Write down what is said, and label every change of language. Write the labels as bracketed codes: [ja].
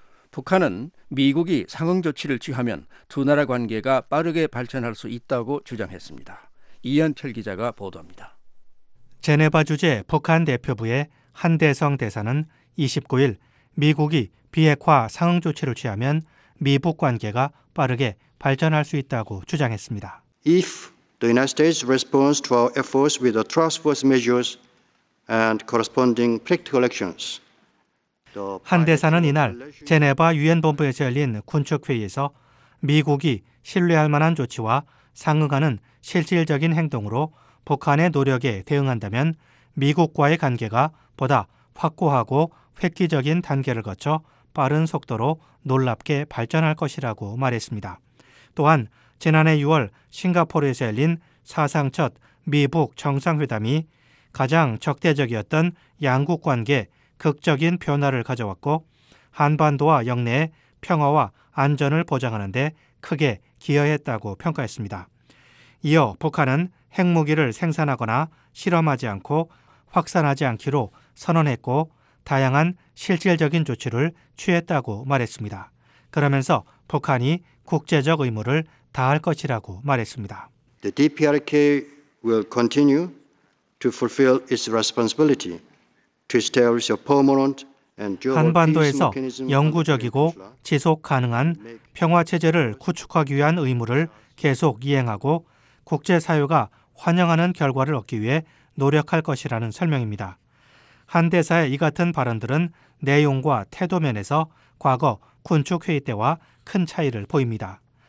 [ko] 북한은 미국이 상응 조치를 취하면 두 나라 관계가 빠르게 발전할 수 있다고 주장했습니다. 이현철 기자가 보도합니다. 제네바 주재 북한 대표부의 한대성 대사는 29일 미국이 비핵화 상응 조치를 취하면 미북 관계가 빠르게 발전할 수 있다고 주장했습니다. [en] If the United States responds to our efforts with the trustworthy measures and corresponding practical actions. [ko] 한 대사는 이날 제네바 유엔 본부에서 열린 군축 회의에서 미국이 신뢰할 만한 조치와 상응하는 실질적인 행동으로 북한의 노력에 대응한다면 미국과의 관계가 보다 확고하고 획기적인 단계를 거쳐 빠른 속도로 놀랍게 발전할 것이라고 말했습니다. 또한 지난해 6월 싱가포르에서 열린 사상 첫 미북 정상회담이 가장 적대적이었던 양국 관계 극적인 변화를 가져왔고 한반도와 영내의 평화와 안전을 보장하는 데 크게 기여했다고 평가했습니다. 이어 북한은 핵무기를 생산하거나 실험하지 않고 확산하지 않기로 선언했고 다양한 실질적인 조치를 취했다고 말했습니다. 그러면서 북한이 국제적 의무를 다할 것이라고 말했습니다. [en] The DPRK will continue to fulfill its responsibility to establish a permanent and durable [ko] 한반도에서 영구적이고 지속 가능한 평화 체제를 구축하기 위한 의무를 계속 이행하고 국제 사회가 환영하는 결과를 얻기 위해 노력할 것이라는 설명입니다. 한 대사의 이 같은 발언들은 내용과 태도 면에서 과거 군축 회의 때와 큰 차이를 보입니다.